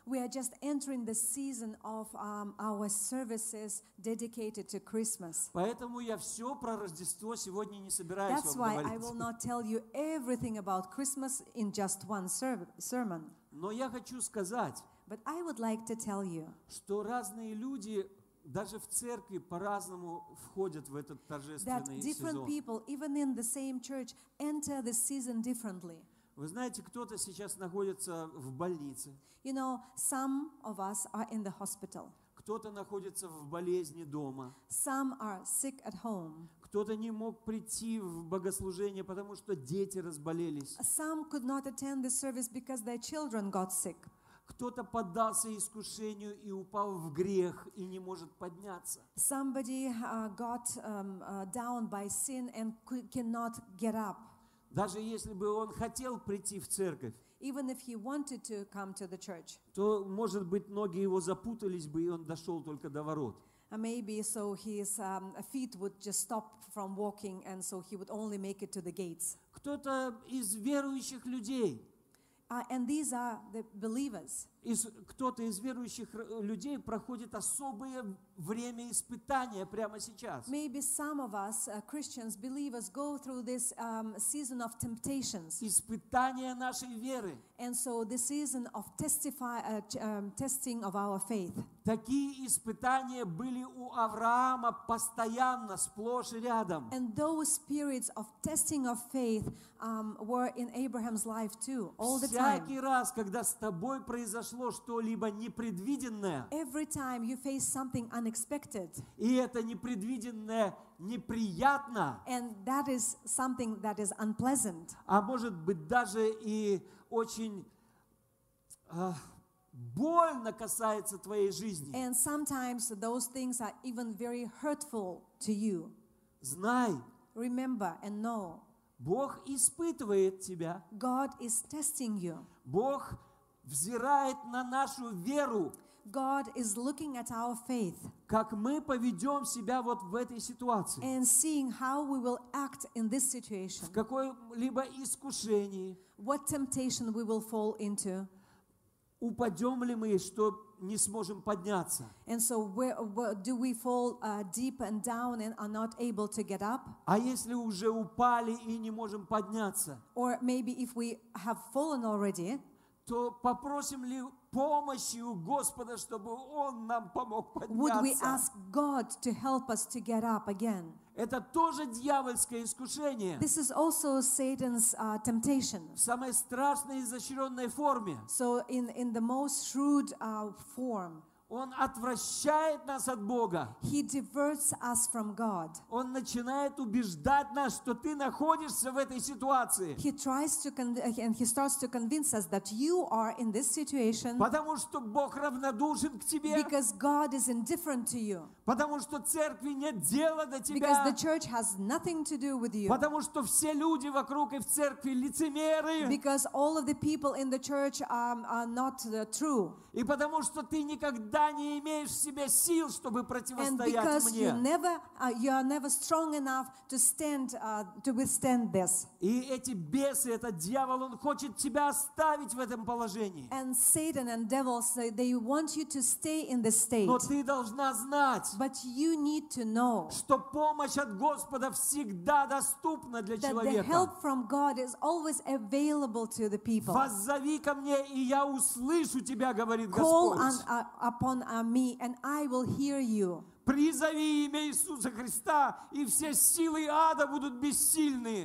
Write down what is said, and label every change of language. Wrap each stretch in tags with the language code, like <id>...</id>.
<en>We are just entering the season of our services dedicated to Christmas.</en> <ru>Поэтому я все про Рождество сегодня не собираюсь</ru> <en>That's</en> <ru>вам говорить.</ru> <en>That's why I will not tell you everything about Christmas in just one sermon.</en> <ru>Но я хочу сказать,</ru> <en>But I would like to tell you,</en> <ru>что разные люди даже в церкви по-разному входят в этот торжественный сезон.</ru> <en>People, even in the same church, enter the season differently.</en> <ru>Вы знаете, кто-то сейчас находится в больнице.</ru> <en>You know, some of us are in the hospital.</en> <ru>Кто-то находится в болезни дома.</ru> <en>Some are sick at home.</en> <ru>Кто-то не мог прийти в богослужение, потому что дети разболелись.</ru> <en>Some could not attend the service because their children got sick.</en> <ru>Кто-то поддался искушению и упал в грех и не может подняться.</ru> <en>Somebody got down by sin and cannot get up.</en> <ru>Даже если бы он хотел прийти в церковь,</ru> <en>even if he wanted to come to the church,</en> <ru>то, может быть, ноги его запутались бы, и он дошел только до ворот.</ru> <en>Maybe so his feet would just stop from walking, and so he would only make it to the gates.</en> <ru>Кто-то из верующих людей.</ru> <en>And these are the believers.</en> <ru>Кто-то из верующих людей проходит особое время испытания прямо сейчас.</ru> <en>Maybe some of us Christians, believers, go through this season of temptations.</en> <ru>Испытание нашей веры.</ru> <en>And so the season of testing of our faith.</en> <ru>Такие испытания были у Авраама постоянно, сплошь и рядом.</ru> <en>And those periods of testing of faith were in Abraham's life too, all the time.</en> <ru>Всякий раз, когда с тобой произошло что-либо непредвиденное.</ru> <en>Every time you face something unexpected.</en> <ru>И это непредвиденное неприятно.</ru> <en>And that is something that is unpleasant.</en> <ru>А может быть даже и очень больно касается твоей жизни.</ru> <en>And sometimes those things are even very hurtful to you.</en> <ru>Знай.</ru> <en>Remember and know.</en> <ru>Бог испытывает тебя.</ru> <en>God is testing you.</en> <ru>Бог взирает на нашу веру.</ru> <en>God is looking at our faith.</en> <ru>Как мы поведем себя вот в этой ситуации.</ru> <en>And seeing how we will act in this situation.</en> <ru>В какой-либо искушении.</ru> <en>What temptation we will fall into.</en> <ru>Упадем ли мы, что не сможем подняться.</ru> <en>And so do we fall deep and down and are not able to get up?</en> <ru>А если уже упали и не можем подняться.</ru> <en>Or maybe if we have fallen already,</en> <ru>то попросим ли помощи у Господа, чтобы Он нам помог подняться?</ru> <en>Would we ask God to help us to get up again?</en> <ru>Это тоже дьявольское искушение.</ru> <en>This is also Satan's temptation.</en> <ru>В самой страшной и изощренной форме.</ru> <en>So in the most shrewd form.</en> <ru>Он отвращает нас от Бога.</ru> <en>He diverts us from God.</en> <ru>Он начинает убеждать нас, что ты находишься в этой ситуации.</ru> <en>He tries to and he starts to convince us that you are in this situation.</en> <ru>Потому что Бог равнодушен к тебе.</ru> <en>Because God is indifferent to you.</en> <ru>Потому что церкви нет дела до тебя.</ru> <en>Because the church has nothing to do with you.</en> <ru>Потому что все люди вокруг и в церкви лицемеры.</ru> <en>Because all of the people in the church are not true.</en> <ru>И потому что ты никогда не имеешь в себе сил, чтобы противостоять мне.</ru> <en>And because you never you are never strong enough to stand to withstand this.</en> <ru>И эти бесы, этот дьявол, он хочет тебя оставить в этом положении.</ru> <en>And Satan and devils, they want you to stay in this state.</en> <ru>Но ты должна знать.</ru> <en>But you need to know</en> <ru>что помощь от Господа всегда доступна для</ru> <en>that</en> <ru>человека.</ru> <en>The help from God is always available to the people.</en> <ru>Воззови ко мне, и я услышу тебя, говорит</ru> <en>Call</en> <ru>Господь.</ru> <en>Upon me, and I will hear you.</en> <ru>Призови имя Иисуса Христа, и все силы ада будут бессильны.</ru>